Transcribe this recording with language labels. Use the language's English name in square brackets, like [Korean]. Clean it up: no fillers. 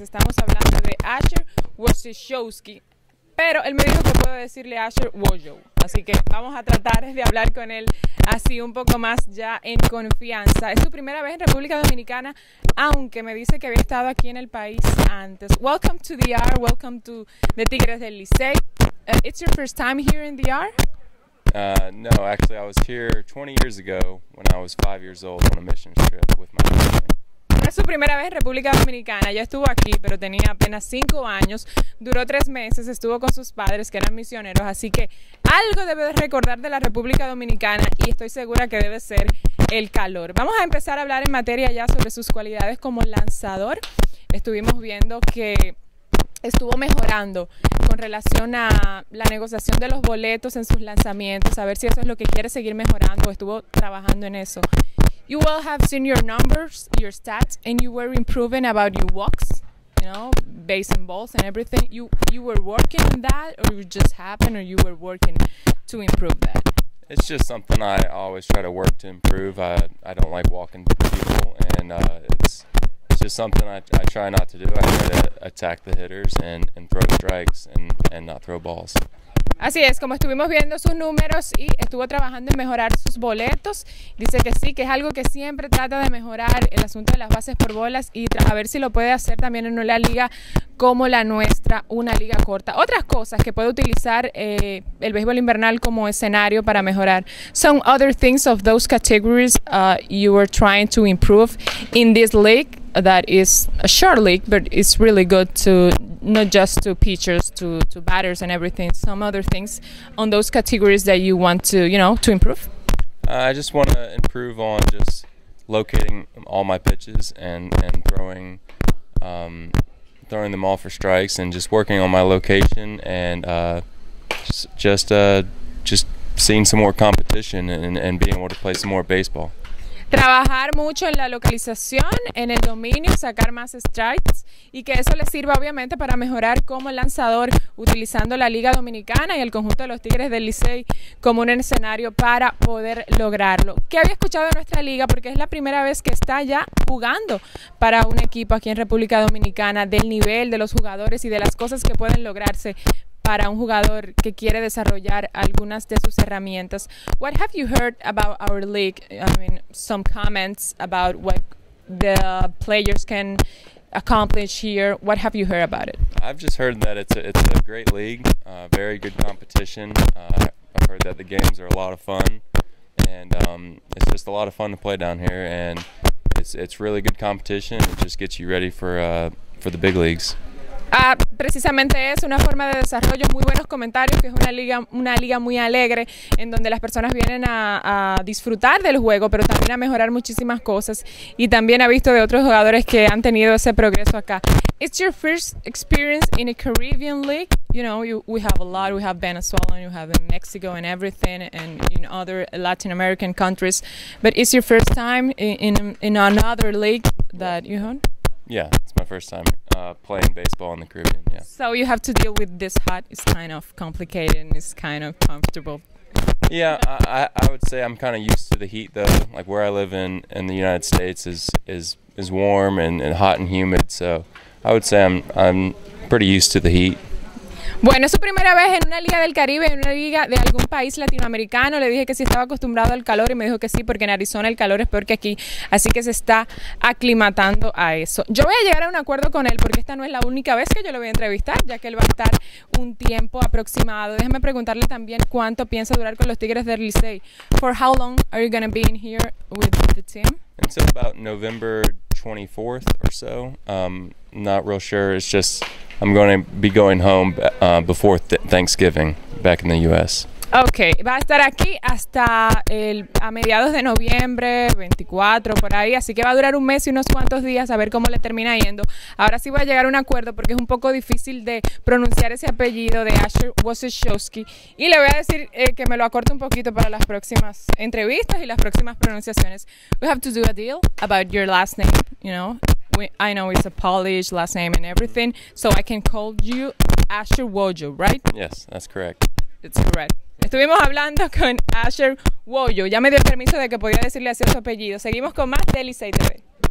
[Spanish] Estamos hablando de Asher Wojciechowski, pero él me dijo que puedo decirle Asher Wojo. Así que vamos a tratar de hablar con él así un poco más ya en confianza. Es su primera vez en República Dominicana, aunque me dice que había estado aquí en el país antes. [English] Welcome to the R, welcome to the Tigres del Licey. It's your first time here in the R? No, actually I was here 20 years ago when I was 5 years old on a mission trip with my family. [Spanish] Es su primera vez en República Dominicana, ya estuvo aquí, pero tenía apenas 5 años, duró 3 meses, estuvo con sus padres que eran misioneros, así que algo debe recordar de la República Dominicana y estoy segura que debe ser el calor. Vamos a empezar a hablar en materia ya sobre sus cualidades como lanzador. Estuvimos viendo que estuvo mejorando con relación a la negociación de los boletos en sus lanzamientos, a ver si eso es lo que quiere seguir mejorando o estuvo trabajando en eso. [English] You all have seen your numbers, your stats, and you were improving about your walks, you know, base and balls and everything. You were working on that, or it just happened, or you were working to improve that? It's just something I always try to work to improve. I don't like walking to people, and it's just something I try not to do. I try to attack the hitters and throw strikes and not throw balls. [Spanish] Así es, como estuvimos viendo sus números y estuvo trabajando en mejorar sus boletos, dice que sí, que es algo que siempre trata de mejorar, el asunto de las bases por bolas, y a ver si lo puede hacer también en una liga como la nuestra, una liga corta. Otras cosas que puede utilizar el béisbol invernal como escenario para mejorar. [English] Some other things of those categories you were trying to improve in this league that is a short league, but it's really good to not just to pitchers, to batters and everything, some other things on those categories that you want to, you know, to improve? I just want to improve on just locating all my pitches and throwing throwing them all for strikes and just working on my location and just seeing some more competition and being able to play some more baseball. [Spanish] Trabajar mucho en la localización, en el dominio, sacar más strikes y que eso le sirva obviamente para mejorar como lanzador utilizando la Liga Dominicana y el conjunto de los Tigres del Licey como un escenario para poder lograrlo. ¿Qué había escuchado de nuestra liga? Porque es la primera vez que está ya jugando para un equipo aquí en República Dominicana, del nivel de los jugadores y de las cosas que pueden lograrse para un jugador que quiere desarrollar algunas de sus herramientas. [English] What have you heard about our league? I mean, some comments about what the players can accomplish here. What have you heard about it? I've just heard that it's a great league, very good competition. I've heard that the games are a lot of fun, and it's just a lot of fun to play down here, and it's really good competition. It just gets you ready for the big leagues. [Spanish] Precisamente es una forma de desarrollo, muy buenos comentarios, que es una liga muy alegre en donde las personas vienen a disfrutar del juego, pero también a mejorar muchísimas cosas, y también ha visto de otros jugadores que han tenido ese progreso acá. [English] It's your first experience in a Caribbean league, you know, we have a lot, we have Venezuela and you have in Mexico and everything and in other Latin American countries, but it's your first time in another league that you own? Yeah, it's my first time playing baseball in the Caribbean, yeah. So you have to deal with this hot. It's kind of complicated and it's kind of comfortable. Yeah, I would say I'm kind of used to the heat, though. Like, where I live in the United States is warm and hot and humid, so I would say I'm pretty used to the heat. [Spanish] Bueno, es su primera vez en una liga del Caribe, en una liga de algún país latinoamericano. Le dije que sí estaba acostumbrado al calor y me dijo que sí, porque en Arizona el calor es peor que aquí. Así que se está aclimatando a eso. Yo voy a llegar a un acuerdo con él, porque esta no es la única vez que yo lo voy a entrevistar, ya que él va a estar un tiempo aproximado. Déjame preguntarle también cuánto piensa durar con los Tigres del Licey. [English] For how long are you going to be in here with the team? Until about November 24th or so. Not real sure, it's just I'm going to be going home before Thanksgiving, back in the U.S. [Spanish] Okay, va a estar aquí hasta a mediados de noviembre, 24, por ahí, así que va a durar un mes y unos cuantos días, a ver cómo le termina yendo. Ahora sí voy a llegar a un acuerdo, porque es un poco difícil de pronunciar ese apellido de Asher Wojciechowski, y le voy a decir que me lo acorte un poquito para las próximas entrevistas y las próximas pronunciaciones. [English] We have to do a deal about your last name, you know? I know it's a Polish last name and everything, so I can call you Asher Wojo, right? Yes, that's correct. It's correct. [Spanish] Estuvimos hablando con Asher Woyo. Ya me dio permiso de que podía decirle así a su apellido. Seguimos con más de Licey TV.